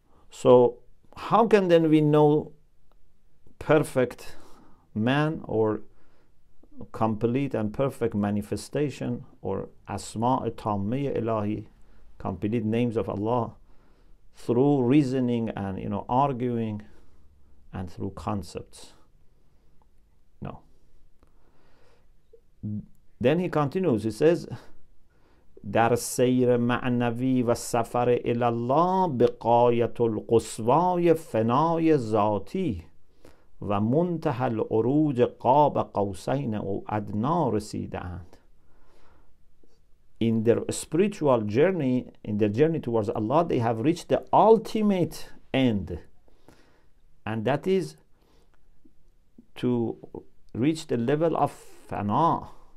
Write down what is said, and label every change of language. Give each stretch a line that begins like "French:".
English: So how can then we know perfect man or complete and perfect manifestation or
Arabic: asma'i tammiya ilahi,
English: complete names of Allah, through reasoning and, you know, arguing and through concepts? No. Then he continues, he says,
Persian: در سیر معنوی و سفر الالله بقایت القصوای فنای ذاتی و منتهى العروج قاب قوسین و ادنا رسیدند.
English: In their spiritual journey, in their journey towards Allah, they have reached the ultimate end, and that is to reach the level of fana.